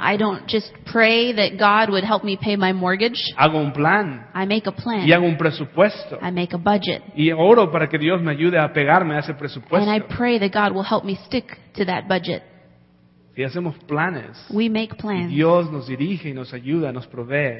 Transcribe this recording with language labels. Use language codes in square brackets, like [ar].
[en] I don't just pray that God would help me pay my mortgage. [es] Hago un plan. [en] I make a plan. [es] Y hago un presupuesto. [en] I make a budget. [es] Y oro para que Dios me ayude a pegarme a ese presupuesto. [en] And I pray that God will help me stick to that budget. [es] Si hacemos planes, [en] we make plans. [es] Dios nos dirige y nos ayuda, nos provee.